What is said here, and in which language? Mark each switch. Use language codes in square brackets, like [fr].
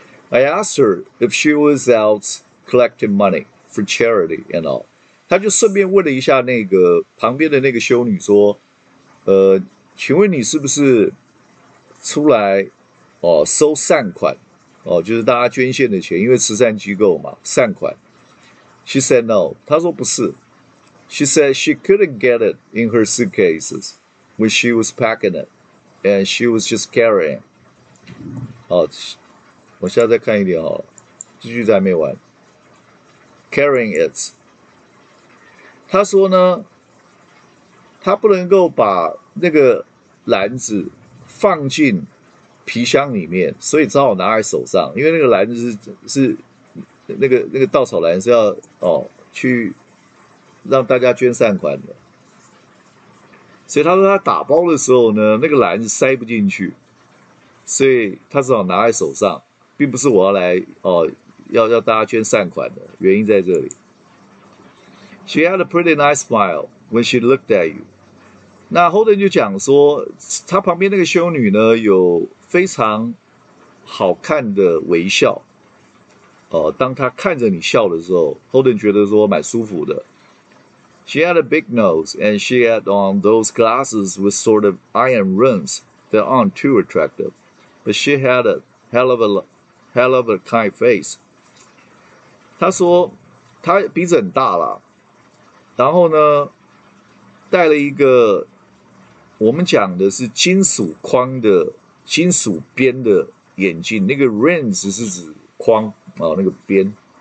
[en] I asked her if she was out collecting money for charity and all. [zh] 他就顺便问了一下那个旁边的那个修女说，请问你是不是出来收善款就是大家捐献的钱，因为慈善机构嘛，善款。 [en] She said no. [zh] 他说不是。 [en] She said she couldn't get it in her suitcases when she was packing it, and she was just carrying. [zh] 我现在再看一点好了，继续在没完。 Carrying it， 他说呢，他不能够把那个篮子放进皮箱里面，所以只好拿在手上，因为那个篮子是那个稻草篮是要去让大家捐善款的。所以他说他打包的时候呢，那个篮子塞不进去，所以他只好拿在手上，并不是我要来哦，要大家捐善款的，原因在这里。 [en] She had a pretty nice smile when she looked at you。 [zh] 那 Holden 就讲说，他旁边那个修女呢，有非常好看的微笑。当他看着你笑的时候，Holden 觉得说蛮舒服的。 [en] She had a big nose, and she had on those glasses with sort of iron rims that aren't too attractive, but she had a hell of a kind face. [zh] 他说他鼻子很大了，然后呢，戴了一个我们讲的是金属框的金属边的眼镜，那个 rims 是指框啊，那个边。